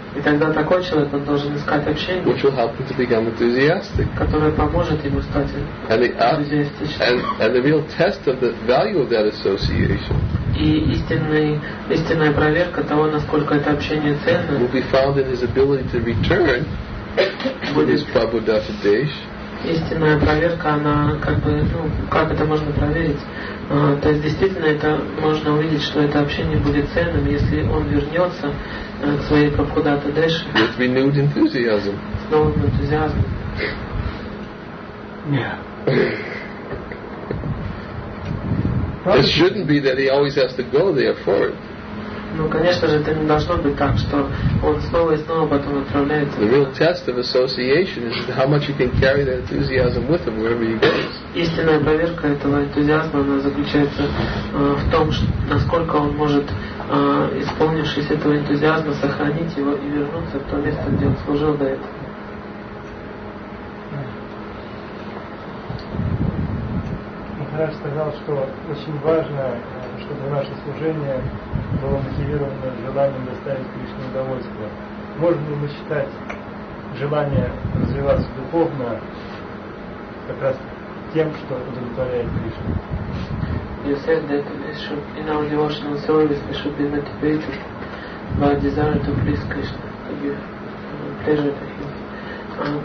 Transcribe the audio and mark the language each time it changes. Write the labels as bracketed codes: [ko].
[ru] И тогда такой человек, он должен искать общение, [en] which will help him to become enthusiastic. [ru] Которое поможет ему стать энтузиастичным. [en] And the real test of the value of that association. [ru] И истинная проверка того, насколько это общение ценно. [en] Will be found in his ability to return. With his Prabhudatta Desh. [ru] Истинная проверка, она как бы, ну, как это можно проверить? То есть действительно это можно увидеть, что это общение будет ценным, если он вернется к своей Прабхудатта Деш. [en] With renewed enthusiasm. [ru] С новым энтузиазмом. [en] Yeah. It shouldn't be that he always has to go there for it. [ru] Ну, конечно же, это не должно быть так, что он снова и снова потом отправляется. [en] The real test of association is how much he can carry that enthusiasm with him wherever he goes. [ru] Истинная проверка этого энтузиазма, она заключается в том, насколько он может, исполнившись этого энтузиазма, сохранить его и вернуться в то место, где он служил до этого. Я сказал, что очень важно, чтобы наше служение было мотивировано желанием доставить Кришне удовольствие. Можно ли мы считать желание развиваться духовно как раз тем, что удовлетворяет Кришну? [en] You said that this should, in our devotional service, we should be motivated by desire to please Krishna, to give pleasure to him.